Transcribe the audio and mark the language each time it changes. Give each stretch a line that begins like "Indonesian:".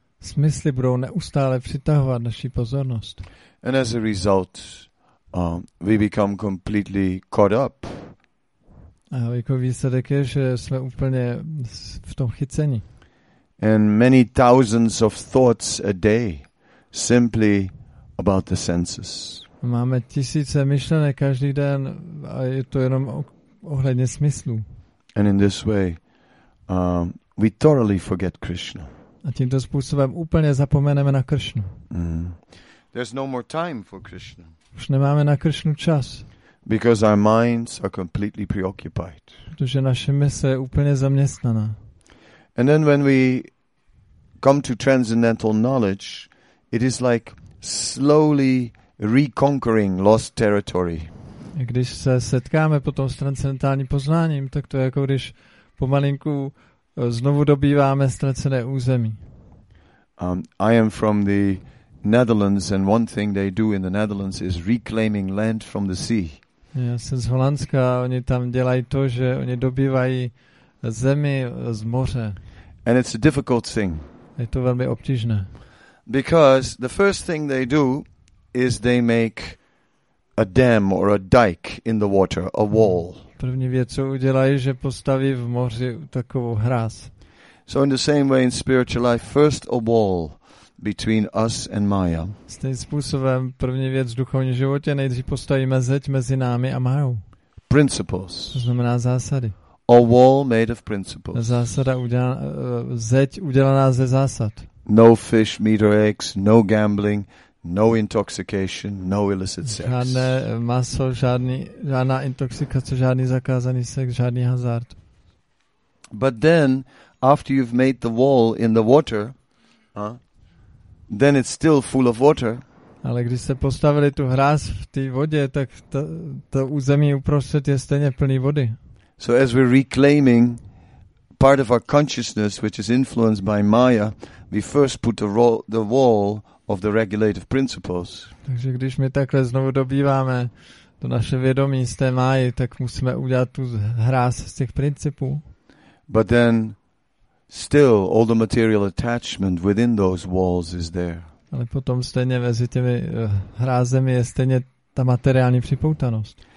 Czech: Smysly budou neustále přitahovat naši pozornost.
English: And as a result, we become completely caught up.
Czech: A jako výsledek je, že jsme úplně v tom chycení.
English: And many thousands of thoughts a day simply about the senses.
Czech: Máme tisíce myšlenek každý den a je to jenom ohledně smyslu.
English: And in this way we totally forget Krishna.
Czech: A tímto způsobem úplně zapomeneme na Kršnu.
English: There's no more time for Krishna.
Czech: Už nemáme na Kršnu čas.
English: Because our minds are completely preoccupied.
Czech: Protože naše mysl je úplně zaměstnaná.
English: And then when we come to transcendental knowledge, it is like slowly reconquering lost territory.
Czech: A když se setkáme potom s transcendentálním poznáním, tak to je jako když pomalinku znovu dobýváme ztracené území.
English: I am from the Netherlands, and one thing they do in the Netherlands is reclaiming land from the sea.
Czech: Já jsem z Holandska a oni tam dělají to, že oni dobývají zemi z moře.
English: And it's a difficult thing.
Czech: Je to velmi obtížné.
English: Because the first thing they do is they make a dam or a dike in the water, a wall.
Czech: První věc, co udělají, že postaví v moři takovou hráz.
English: So in the same way in spiritual life, first a wall between us and Maya.
Czech: Stejným způsobem první věc v duchovním životě nejdřív postavíme zeď mezi námi a Mayou.
English: Principles.
Czech: To znamená zásady.
English: A wall made of principles.
Czech: Zásada zeď udělaná ze zásad.
English: No fish, meat or eggs, no gambling, no intoxication, no illicit sex.
Czech: Žádné maso, žádná intoxikace, žádný zakázaný sex, žádný hazard.
English: But then, after you've made the wall in the water, then it's still full of water.
Czech: Ale když se postavili tu hráz v té vodě, tak to území uprostřed je stejně plný vody.
English: So as we're reclaiming part of our consciousness which is influenced by Maya, we first put the wall of the regulative principles.
Czech: Takže když my takhle znovu dobýváme to naše vědomí z té Máji, tak musíme udělat tu hráz z těch principů.
English: But then still all the material attachment within those walls is there.
Czech: Ale potom stejně mezi těmi hrázemi je stejně ta materiální připoutanost.